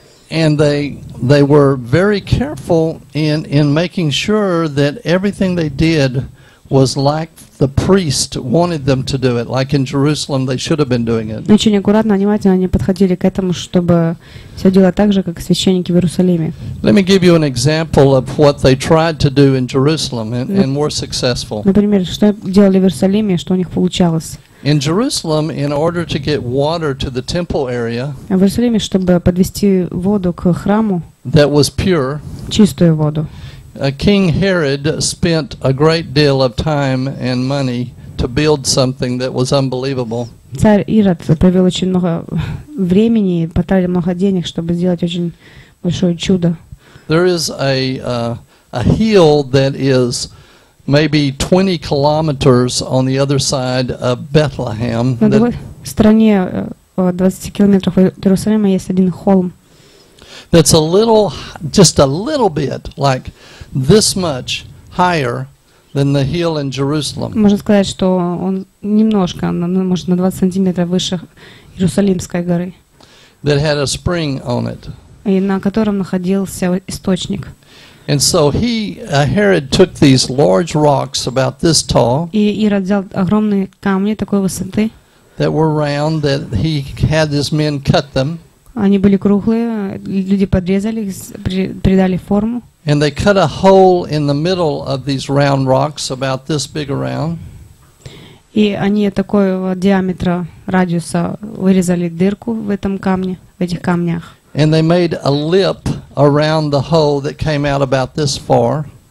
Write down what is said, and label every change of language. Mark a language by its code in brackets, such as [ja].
[en] And they were very careful in making sure that everything they did was like the priest wanted them to do it, like in Jerusalem they should have been doing it. [ru] Очень аккуратно, внимательно они подходили к этому, чтобы все делать так же, как священники в Иерусалиме. [en] Let me give you an example of what they tried to do in Jerusalem and were successful. [ru] Например, что делали в Иерусалиме, что у них получалось. [en] In Jerusalem, in order to get water to the temple area, [ru] в Иерусалиме, чтобы подвести воду к храму, [en] that was pure, [ru] чистую воду, [en] King Herod spent a great deal of time and money to build something that was unbelievable. [ru] Царь Ирод провел очень много времени и потратил много денег, чтобы сделать очень большое чудо. [en] There is a hill that is maybe 20 kilometers on the other side of Bethlehem. [ru] На стороне 20 километров от Иерусалима есть один холм. [en] That's a little, just a little bit, like this much higher than the hill in Jerusalem. [ru] Можно сказать, что он немножко, может, на 20 сантиметров выше Иерусалимской горы. [en] That had a spring on it. [ru] И на котором находился источник. [en] And so he, Herod, took these large rocks about this tall. [ru] И Ирод взял огромные камни такой высоты. [en] That were round, that he had his men cut them. [ru] Они были круглые, люди подрезали их, придали форму. [en] And they cut a hole in the middle of these round rocks about this big around. [ru] И они такого диаметра радиуса вырезали дырку в этом камне, в этих камнях. [en] And they made a lip around the hole that came out about this far.